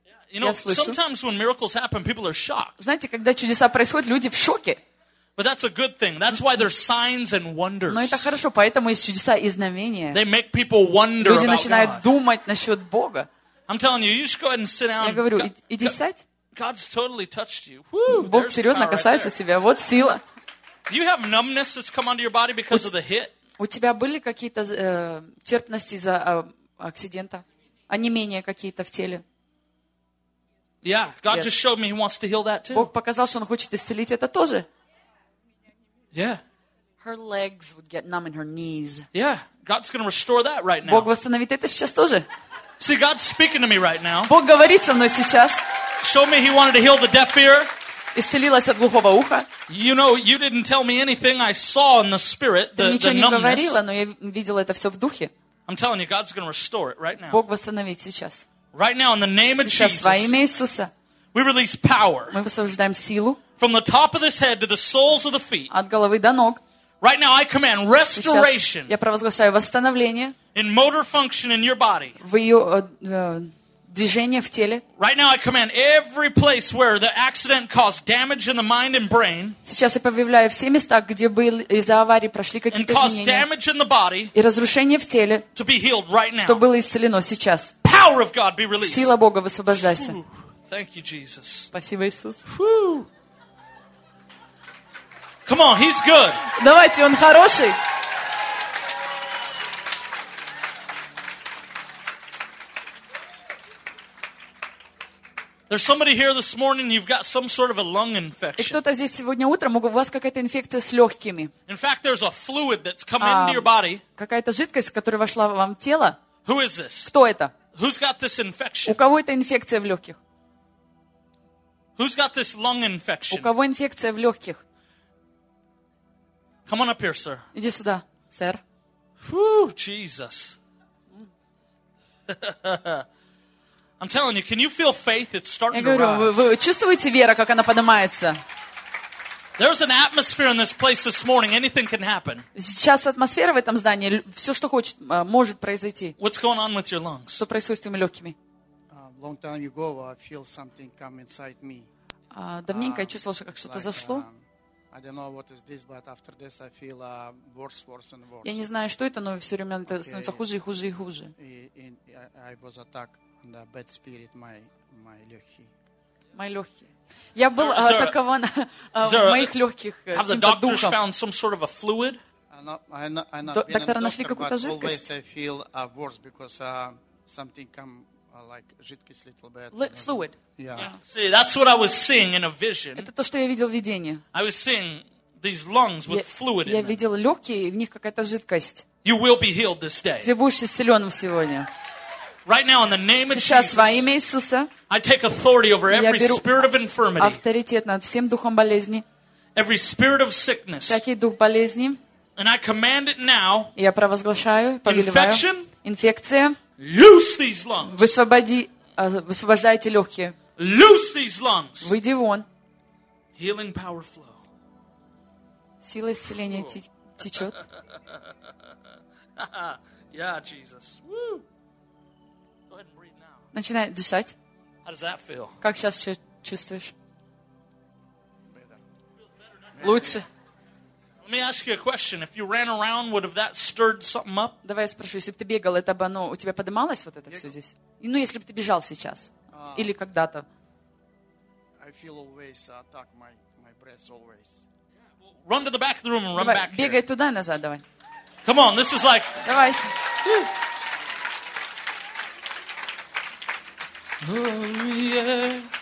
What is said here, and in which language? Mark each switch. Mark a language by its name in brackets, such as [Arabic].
[English] You know, sometimes when miracles happen, people are shocked. [Russian] Знаете, когда чудеса происходят, люди в шоке. [English] But that's a good thing. That's why there's signs and wonders. [Russian] Но это хорошо, поэтому есть чудеса и знамения. [English] They make people wonder. [Russian] Люди начинают думать насчет Бога. [English] I'm telling you, you should go ahead and sit down. [Russian] Я говорю, иди сядь. [English] God's totally touched you. [Russian] Бог серьезно касается тебя. Вот сила. [English] Do you have numbness that's come onto your body because of the hit? [Russian] У тебя были какие-то терпности из-за акцидента? Онемения какие-то в теле? [English] Yeah, God just showed me He wants to heal that too. [Russian] Бог показал, что Он хочет исцелить это тоже. [English] Yeah. Her legs would get numb in her knees. Yeah, God's going to restore that right now. [Russian] Бог восстановит это сейчас тоже. [English] See, God's speaking to me right now. [Russian] Бог говорит со мной сейчас. [English] Show me He wanted to heal the deaf ear. [Russian] Исцелилась от глухого уха. [English] You know, you didn't tell me anything I saw in the spirit, the numbness. [Russian] Ты ничего не говорила, но я видела это все в духе. [English] I'm telling you, God's going to restore it right now. [Russian] Бог восстановит сейчас. [English] Right now, in the name of Jesus. [Russian] Сейчас во имя Иисуса. [English] We release power. [Russian] Мы высвобождаем силу. [English] From the top of this head to the soles of the feet. [Russian] От головы до ног. [English] Right now, I command restoration. [Russian] Сейчас я провозглашаю восстановление. [English] In motor function in your body. [Russian] В ее движение в теле. [English] Right now I command every place where the accident caused damage in the mind and brain. [Russian] Сейчас я повелеваю все места, где были из-за аварии прошли какие-то изменения. [English] And caused damage in the body. [Russian] И разрушение в теле. [English] To be healed right now. [Russian] Что было исцелено сейчас. [English] Power of God be released. [Russian] Сила Бога высвобождайся. [English] Thank you, Jesus. [Russian] Спасибо, Иисус. [English] Come on, he's good. [Russian] Давайте, он хороший. [English] There's somebody here this morning, you've got some sort of a lung infection. [Russian] И кто-то здесь сегодня утром, у вас какая-то инфекция с легкими. [English] In fact, there's a fluid that's come into your body. [Russian] Какая-то жидкость, которая вошла вам в тело. [English] Who is this? [Russian] Кто это? [English] Who's got this infection? [Russian] У кого эта инфекция в легких? [English] Who's got this lung infection? [Russian] У кого инфекция в легких? [English] Come on up here, sir. [Russian] Иди сюда, сэр. [English] Whew, Jesus. I'm telling you, can you feel faith? It's starting to rise. [Russian] Вы чувствуете веру, как она поднимается? [English] There's an atmosphere in this place this morning. Anything can happen. [Russian] Сейчас атмосфера в этом здании, все, что хочет, может произойти. [English] What's going on with your lungs? [Russian] Что происходит с твоими легкими? [English] Long time ago, I feel something come inside me. [Russian] Давненько я чувствовал, что как что-то зашло. [English] I don't know what is this, but after this, I feel worse and worse. [Russian] Я не знаю, что это, но все время это становится хуже и хуже и хуже. [English] I was attacked. The bad spirit, my [Russian] легкие. Мои легкие. Я был атакован моих легких каким-то духом. [English] Found some sort of a fluid? [Russian] Доктора нашли какую-то жидкость? [English] I feel worse because something come like [Russian] жидкость [English] little bit. Fluid. Yeah. See, that's what I was seeing in a vision. [Russian] Это то, что я видел в видении. [English] I was seeing these lungs with fluid in them. [Russian] Я видел легкие, в них какая-то жидкость. [English] You will be healed this day. [Russian] Ты будешь исцелен сегодня. [English] Right now, in the name of [Russian] Сейчас, [English] Jesus, [Russian] во имя Иисуса, [English] I take authority over every spirit of infirmity, [Russian] авторитет над всем духом болезни, [English] every spirit of sickness, [Russian] всякий дух болезни, [English] and I command it now, [Russian] я провозглашаю, повелеваю, [English] infection, [Russian] инфекция, [English] loose these lungs, [Russian] высвобождайте легкие, [English] loose these lungs, [Russian] выйди вон, [English] healing power flow, [Russian] сила исцеления течет, [English] yeah, Jesus, woo. [Russian] Начинай дышать. [English] How does that feel? [Russian] Как сейчас все чувствуешь? Лучше. [English] Let me ask you a question. If you ran around, would have that stirred something up? [Russian] Давай я спрошу, если бы ты бегал, это бы оно у тебя поднималось вот это все здесь? Ну, если бы ты бежал сейчас или когда-то. [English] I feel always attack my breath always. Run to the back of the room and run [Russian] давай, [English] back. [Russian] Бегай [English] here. [Russian] Туда и назад, давай. [English] Come on, this is like. [Russian] Давай. [English] Oh yeah.